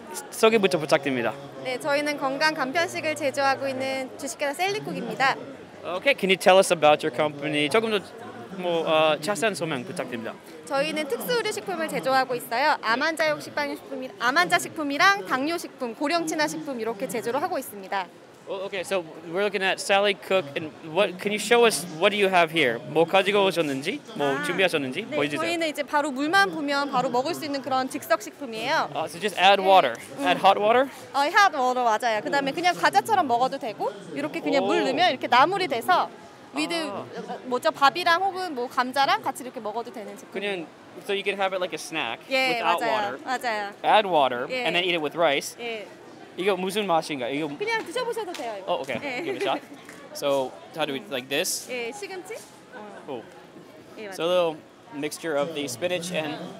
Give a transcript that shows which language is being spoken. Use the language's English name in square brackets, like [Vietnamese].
[Korean] 소개부터 부탁드립니다. 네, 저희는 건강 간편식을 제조하고 있는 주식회사 셀리콕입니다. [English] Okay, can you tell us about your company? [Korean] 조금 더 자세한 소명 부탁드립니다. 저희는 특수 의류 식품을 제조하고 있어요. 암환자용 식품, 암환자 식품이랑 당뇨 식품, 고령 친화 식품 이렇게 제조를 하고 있습니다. [English] Okay, so we're looking at Sally Cook, and what can you show us? What do you have here? [Korean] 뭐 가지고 오셨는지, 뭐 준비하셨는지 보여주세요. 저희는 이제 바로 물만 보면 바로 먹을 수 있는 그런 즉석 식품이에요. [English] So just add water, add hot water. Hot water [Korean] 맞아요. 그다음에 그냥 과자처럼 먹어도 되고 이렇게 그냥 물 넣으면 이렇게 나물이 돼서 위드 뭐죠 밥이랑 혹은 뭐 감자랑 같이 이렇게 먹어도 되는 제품. 그냥 [English] so you can have it like a snack. [Korean] 예, [English] without [Korean] 맞아요. [English] Water. [Korean] 맞아요. [English] Add water and then eat it with rice. [Korean] 예. 이거 무슨 맛인가? 이거 그냥 드셔보셔도 돼요. 이거. [English] Oh, okay. 네. Give it a shot. So, how do we, like this? [Korean] 예, 시금치. [English] Cool. 예, so, a little mixture of the spinach and...